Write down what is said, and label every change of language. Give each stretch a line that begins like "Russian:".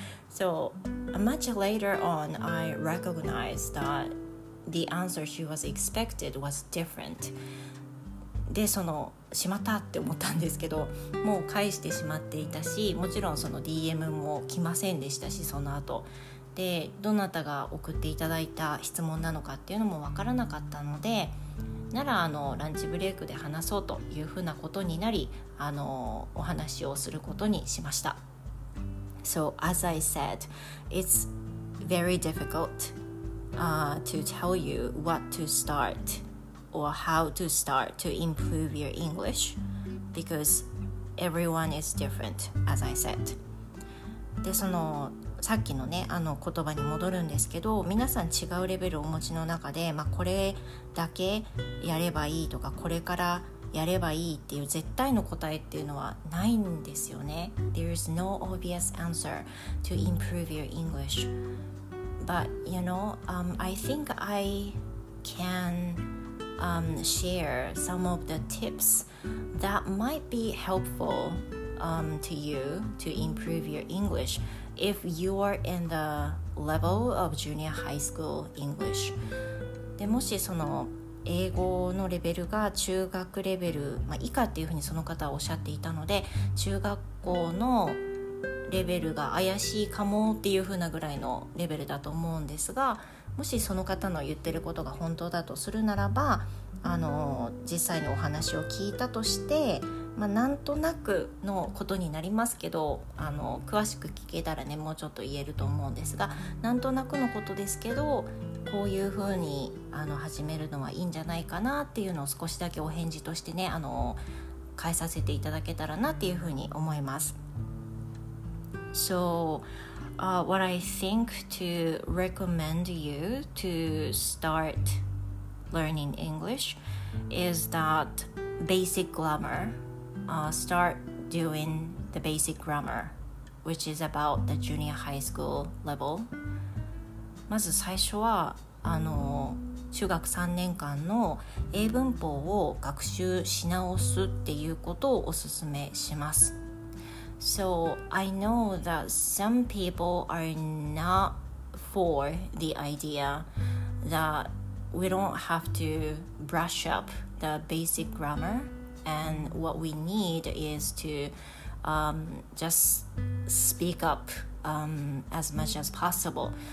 English: So much later on, I recognized that the answer she was expected was different.
Japanese: で、しまったって思ったんですけど、もう返してしまっていたし、もちろんその DM も来ませんでしたし、その後。で、どなたが送っていただいた質問なのかっていうのもわからなかったので、ならランチブレイクで話そうというふうなことになり、お話をすることにしました。
English: So as I said, it's very difficult to tell you what to start or how to start to improve your English because everyone is different, as I said.
Japanese: で、そのさっきのね、言葉に戻るんですけど、皆さん違うレベルをお持ちの中で、これだけやればいいとか、これからやればいいっていう絶対の答えっていうのはないんですよね。
English: There is no obvious answer to improve your English. But, you know, I think I can share some of the tips that might be helpful to you to improve your English if you're in the level of junior high school English.
Japanese: で、もしその英語のレベルが中学レベル、以下っていうふうにその方はおっしゃっていたので、中学校のレベルが怪しいかもっていうふうなぐらいのレベルだと思うんですが、もしその方の言ってることが本当だとするならば、実際にお話を聞いたとして、なんとなくのことになりますけど、詳しく聞けたらね、もうちょっと言えると思うんですが、なんとなくのことですけど、こういうふうに始めるのはいいんじゃないかなっていうのを少しだけお返事としてね、返させていただけたらなっていうふうに思います。
English: So, what I think to recommend you to start learning English is that basic grammar, start doing the basic grammar, which is about the junior high school level.
Japanese: まず最初は中学3年間の英文法を学習し直すっていうことをおすすめします。
English: So I know that some people are not for the idea that we don't have to brush up the basic grammar, and what we need is to just speak upas much as possible.